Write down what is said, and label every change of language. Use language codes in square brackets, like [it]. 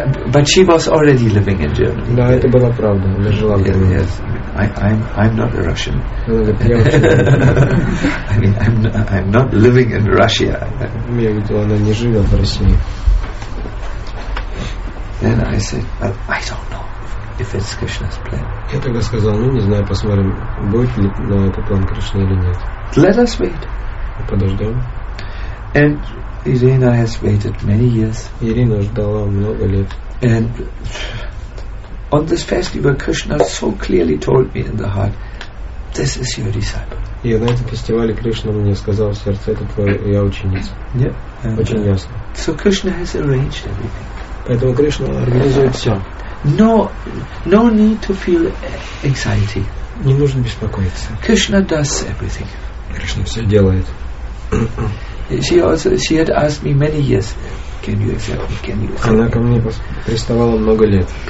[en] But she was already living in Germany. [ru] Да, это была правда. Она жила в Германии. [en] Yes, I'm not a Russian. [ru] Она говорит, я [en] I mean, I'm not living in Russia. [ru] Я видел, она не живет в России. [en] Then I said, well, I don't know if it's Krishna's plan. [ru] Я тогда сказал, ну не знаю, посмотрим, будет ли на это план Кришны или нет. [en] Let us wait. [ru] Подождем. [en] And Irina has waited many years. [ru] Ирина ждала много лет. [en] And on this festival, Krishna so clearly told me in the heart, this is your disciple. [ru] И на этом фестивале Кришна мне сказал в сердце, это твоя ученица. [en] Yeah. [ru] Очень ясно. [en] So Krishna has arranged everything. [ru] Поэтому Кришна организует все. [en] No need to feel anxiety. [ru] Не нужно беспокоиться. [en] Krishna does everything. [ru] Кришна все делает. [en] She had asked me many years, can you accept me? Can you accept me? [ru] Она ко мне приставала много лет.